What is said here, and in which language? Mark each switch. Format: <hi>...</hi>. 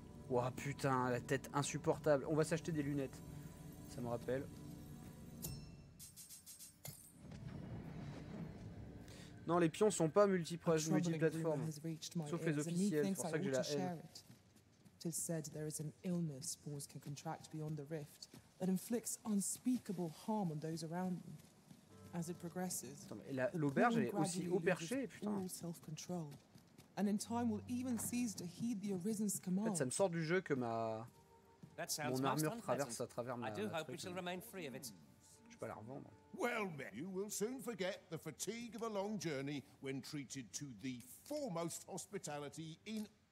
<fr>Wow, putain, la tête insupportable. On va s'acheter des lunettes. Ça me rappelle. Non, les pions sont pas multiplateformes. Sauf les officiels, c'est pour ça que j'ai la haine.</fr> <en>It is said there is an illness spores can contract beyond the rift that inflicts unspeakable harm on those around them. As it progresses,</en> <fr>l'auberge est aussi au perché, putain.</fr> <en>And in time will even cease to heed the Arisen's command.</en> <fr>En fait, ça me sort du jeu que ma mon armure traverse à travers ma je peux la revendre.</fr> <en>Well, men, you will soon forget the fatigue of a long journey when treated to the foremost hospitality in.</en>